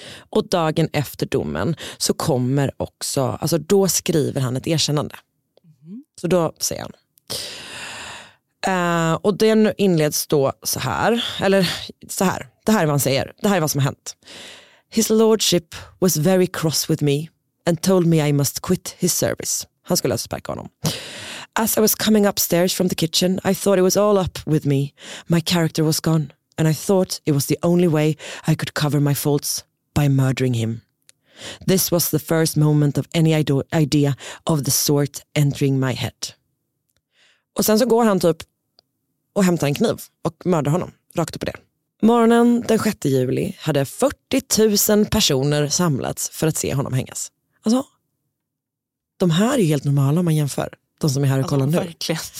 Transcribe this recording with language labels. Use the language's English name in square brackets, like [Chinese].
[Swedish] Och dagen efter domen så kommer också, alltså då skriver han ett erkännande. Mm. Så då säger han. Och den inleds då så här, eller så här. Det här är vad han säger. Det här är vad som har hänt. [English] His lordship was very cross with me and told me I must quit his service. [Swedish] Han skulle alltså sparka honom. [English] As I was coming upstairs from the kitchen, I thought it was all up with me. My character was gone and I thought it was the only way I could cover my faults. By murdering him. This was the first moment of any idea of the sort entering my head. [Swedish] Och sen så går han typ och hämtar en kniv och mördar honom. Rakt upp på det. Morgonen den 6 juli hade 40 000 personer samlats för att se honom hängas. Alltså, de här är ju helt normala om man jämför. De som är här och kollar nu. Verkligen.